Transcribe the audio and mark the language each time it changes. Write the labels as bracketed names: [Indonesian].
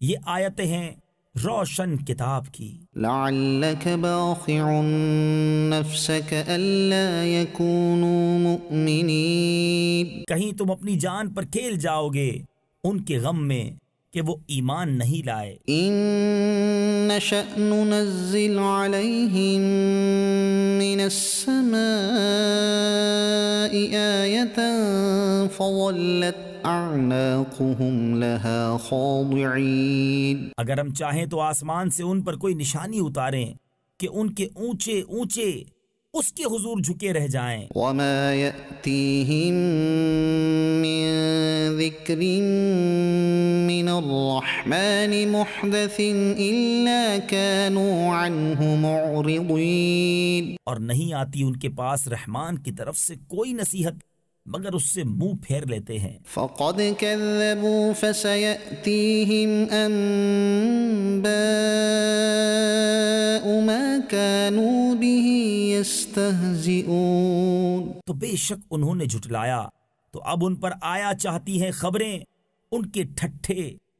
[Urdu] یہ آیتیں ہیں روشن کتاب کی. [Arabic] لعلک باخع نفسک الا یکونوا مؤمنین. [Urdu] کہیں تم اپنی جان پر کھیل جاؤ گے ان کے غم میں کہ وہ ایمان نہیں لائے. [Arabic] ان نشأ ننزل علیہم من السماء آیة فظلت اعناقهم لها خاضعین. [Urdu] اگر ہم چاہیں تو آسمان سے ان پر کوئی نشانی اتاریں کہ ان کے اونچے اونچے اس کے حضور جھکے رہ جائیں. [Arabic] وما یأتیہم من ذکر من الرحمن محدث الا كانوا عنہ معرضین. [Urdu] اور نہیں آتی ان کے پاس رحمان کی طرف سے کوئی نصیحت مگر اس سے منہ پھیر لیتے ہیں. [Arabic] فقد كذبوا فسيأتيهم انباء ما كانوا به يستهزئون. [Urdu] تو بے شک انہوں نے جھٹلایا تو اب ان پر آیا چاہتی ہیں خبریں ان کے ٹھٹھے